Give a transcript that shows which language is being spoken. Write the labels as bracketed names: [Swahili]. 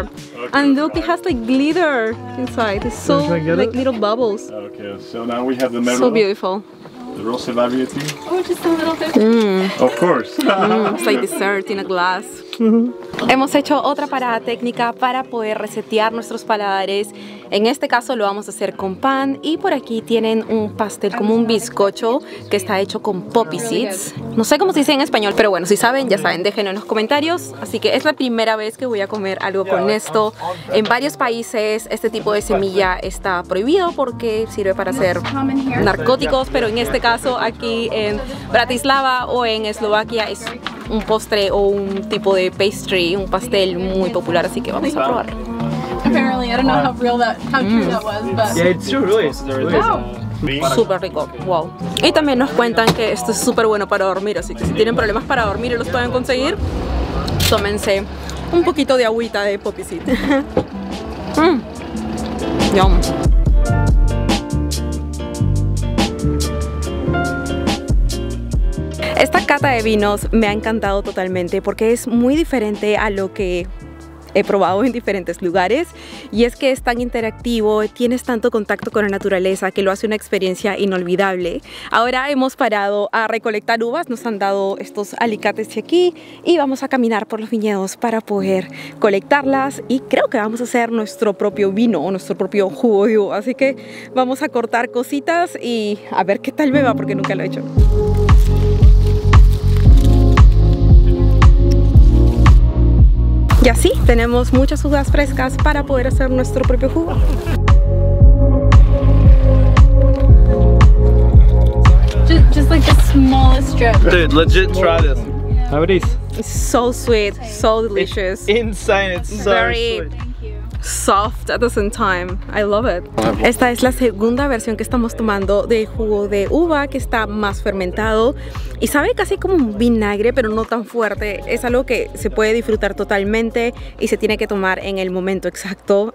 [English] Okay, and look, it has like glitter inside. It's so like it? Little bubbles. Okay, so now we have the merlot. So beautiful. The rosé variety. Oh, just a little bit. Mm. Of course. Mm, it's like dessert in a glass. [Spanish] Hemos hecho otra parada técnica para poder resetear nuestros paladares. En este caso lo vamos a hacer con pan. Y por aquí tienen un pastel como un bizcocho que está hecho con poppy seeds. No sé cómo se dice en español, pero bueno, si saben, ya saben, déjenlo en los comentarios. Así que es la primera vez que voy a comer algo con esto. En varios países este tipo de semilla está prohibido porque sirve para hacer narcóticos. Pero en este caso aquí en Bratislava o en Eslovaquia es un postre o un tipo de pastry, un pastel muy popular, así que vamos a probar. [English] Apparently, I don't know how real that, how true that was, but yeah, it's true, really. [Spanish] Súper rico, wow. Y también nos cuentan que esto es súper bueno para dormir, así que si tienen problemas para dormir y los pueden conseguir, tómense un poquito de agüita de poppy seed. Yum. Esta cata de vinos me ha encantado totalmente porque es muy diferente a lo que he probado en diferentes lugares, y es que es tan interactivo, tienes tanto contacto con la naturaleza que lo hace una experiencia inolvidable. Ahora hemos parado a recolectar uvas, nos han dado estos alicates de aquí y vamos a caminar por los viñedos para poder colectarlas, y creo que vamos a hacer nuestro propio vino o nuestro propio jugo de uva, así que vamos a cortar cositas y a ver qué tal me va porque nunca lo he hecho. Y así tenemos muchas uvas frescas para poder hacer nuestro propio jugo. [English] Just like the smallest strip. Dude, legit, try this. How it is? It's so sweet, so delicious. It's insane, it's so very sweet. Soft at the same time. I love it. [Spanish] Esta es la segunda versión que estamos tomando de jugo de uva, que está más fermentado y sabe casi como un vinagre, pero no tan fuerte. Es algo que se puede disfrutar totalmente y se tiene que tomar en el momento exacto.